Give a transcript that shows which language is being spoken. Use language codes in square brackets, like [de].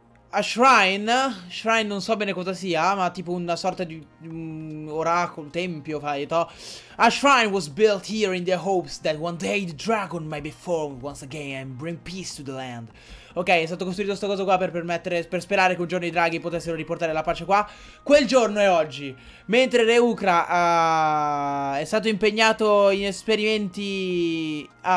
[it] A Shrine non so bene cosa sia, ma tipo una sorta di oracolo, un tempio, fai, to. [en] A shrine was built here in the hopes that one day the dragon might be formed once again and bring peace to the land. [it] Ok, è stato costruito sto coso qua per sperare che un giorno i draghi potessero riportare la pace qua. Quel giorno è oggi. Mentre Reukra è stato impegnato in esperimenti...